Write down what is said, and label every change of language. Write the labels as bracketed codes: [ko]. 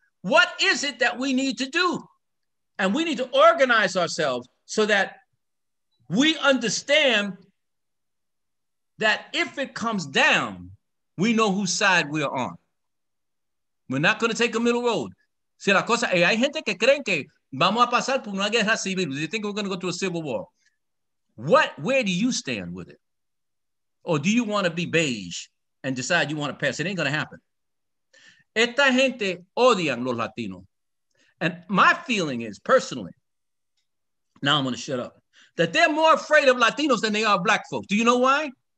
[en] What is it that we need to do? And we need to organize ourselves so that we understand that if it comes down, we know whose side we are on. We're not going to take a middle road. [es] Si la cosa, hay gente que creen que vamos a pasar por una guerra civil. [en] Do you think we're going to go to a civil war? Where do you stand with it? Or do you want to be beige and decide you want to pass? It ain't going to happen. [es] Esta gente odian los latinos. [en] And my feeling is, personally, now I'm going to shut up, that they're more afraid of Latinos than they are black folks. Do you know why?